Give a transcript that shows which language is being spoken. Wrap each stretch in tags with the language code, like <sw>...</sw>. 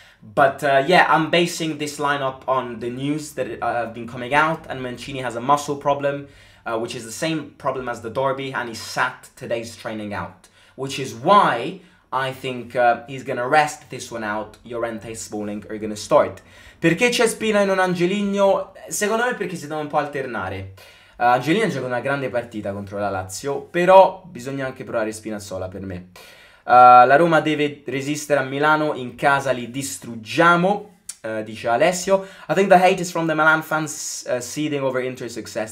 <en>But yeah, I'm basing this lineup on the news that have been coming out. And Mancini has a muscle problem, which is the same problem as the derby. And he sat today's training out, which is why I think he's going to rest this one out. Llorente, Smalling are going to start.</en> <it>Perché c'è Spina e non Angelino? Secondo me perché si deve un po' alternare. Angelino ha giocato una grande partita contro la Lazio, però bisogna anche provare Spina sola per me. La Roma deve resistere a Milano, in casa li distruggiamo, dice Alessio.</it> <en>I think the hate is from the Milan fans seething over Inter's success.</en>